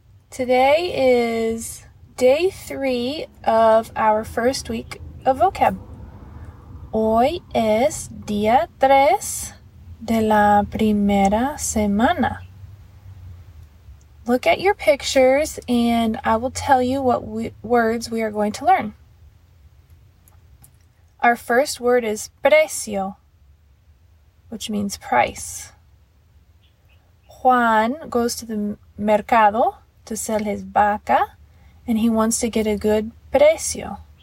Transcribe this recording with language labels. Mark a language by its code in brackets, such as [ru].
[en] Today is day three of our first week of vocab. [es] Hoy es día tres de la primera semana. [en] Look at your pictures and I will tell you what words we are going to learn. Our first word is precio, which means price. Juan goes to the mercado to sell his vaca, and he wants to get a good precio.